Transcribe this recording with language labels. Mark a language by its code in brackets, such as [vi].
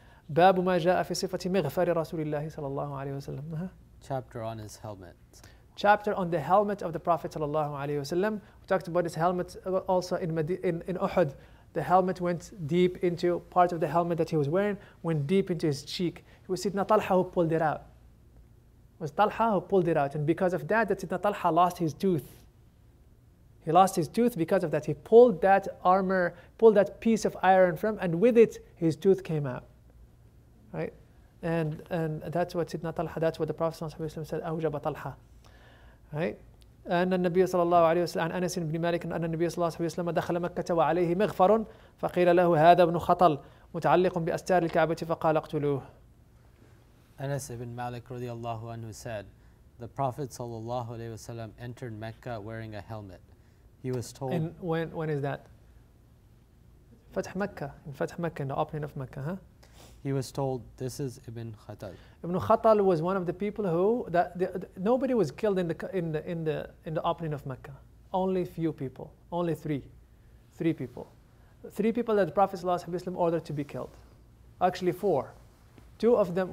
[ar] باب ما جاء في صفة مغفر رسول الله صلى الله عليه وسلم. [en] Chapter on his helmet. Chapter on the helmet of the Prophet sallallahu alaihi wasallam. We talked about his helmet also in Uhud. The helmet went deep into part of the helmet that he was wearing, went deep into his cheek. It was Sidna Talha who pulled it out. And because of that Sidna Talha lost his tooth. He lost his tooth because of that. He pulled that armor, pulled that piece of iron from, and with it his tooth came out. Right? And that's what Sidna Talha, that's what the Prophet sallallahu alaihi wasallam said, [ar] "Awjaba Talha." [en] Right? [ar] أن النبي صلى الله عليه وسلم عن أنس بن مالك أن النبي صلى الله عليه وسلم دخل مكة وعليه مغفر فقيل له هذا ابن خطل متعلق بأستار الكعبة فقال اقتلوه. [en] أنس بن مالك [ar] رضي الله عنه [en] said the Prophet صلى الله عليه وسلم entered Mecca wearing a helmet. He was told. And when is that? [ar] فتح مكة. [en] In [ar] فتح مكة, [en] in the opening of Mecca, huh? He was told, "This is Ibn Khattal." Ibn Khattal was one of the people nobody was killed in the opening of Mecca. Only few people, only three people that the Prophet sallallahu alaihi wasallam ordered to be killed. Actually, four. Two of them.